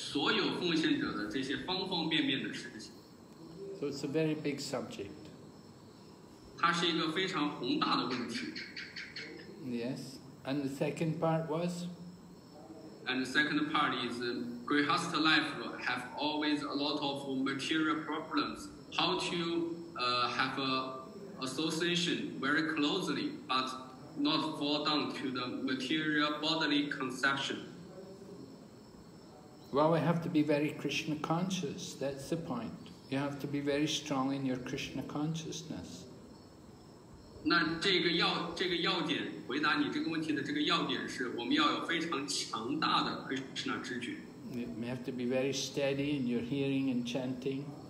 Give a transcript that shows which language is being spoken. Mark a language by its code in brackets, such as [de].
[zh] 奉献者关爱涉及到所有奉献者的这些方方面面的事情。 [en] So it's a very big subject. [zh] 它是一个非常宏大的问题。 [en] Yes, and the second part was? And the second part is, Grihastha life have always a lot of material problems. How to have an association very closely, but not fall down to the material bodily conception. Well, we have to be very Krishna conscious, that's the point. You have to be very strong in your Krishna consciousness. [zh] 那这个要点回答你这个问题的这个要点是我们要有非常强大的 Krishna 知觉。 [en] You have to be very steady in your hearing and chanting.